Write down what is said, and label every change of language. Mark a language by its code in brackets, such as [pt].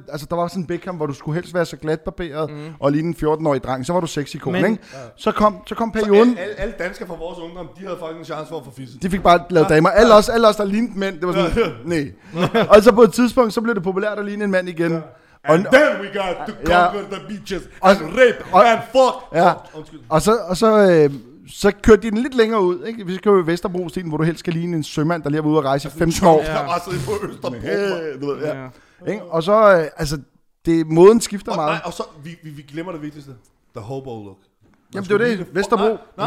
[da] Altså, der var sådan en Beckham, hvor du skulle helst være så glatbarberet, og lige en 14-årig dreng. Så var du sexikon, ikke? Ja. Så kom perioden... Så alle danskere fra vores ungdom, de havde faktisk en chance for at få fisse. De fik bare lavet damer. Alle os, der lignede mænd, det var sådan... Nej. Og så på et tidspunkt, så blev det populært at ligne en mand igen. Ja. [en] And then we got to conquer the beaches and rape and fuck. [da] Ja. Så kørte de den lidt længere ud, ikke? Vi skal jo i Vesterbro-stilen, hvor du helst skal ligne en sømand, der lige er ude at rejse i 15 år. Jeg har rejset på Østerbro, du ved, ja. Ikke? Og så, altså, det, måden skifter og, meget. Nej, og så, vi glemmer det vigtigste. [en] The hobo look. [da] Man. Jamen, det er det. Vesterbro.